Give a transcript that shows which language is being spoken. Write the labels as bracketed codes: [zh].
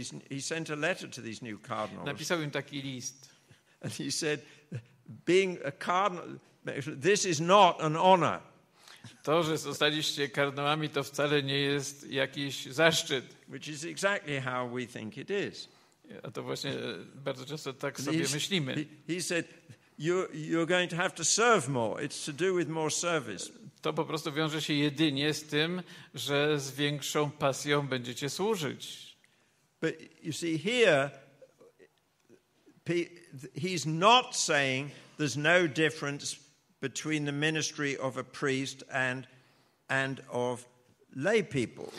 [en] he sent a letter to these new cardinals. [pl] Napisał im taki list. [en] And he said, being a cardinal, this is not an honor. [pl] To, że zostaliście kardynałami, to wcale nie jest jakiś zaszczyt. [en] Which is exactly how we think it is. [pl] A to właśnie bardzo często tak sobie myślimy. [en] He said, you're going to have to serve more. It's to do with more service. [pl] To po prostu wiąże się jedynie z tym, że z większą pasją będziecie służyć. [en] But you see here, he's not saying there's no difference between the ministry of a priest and of lay people.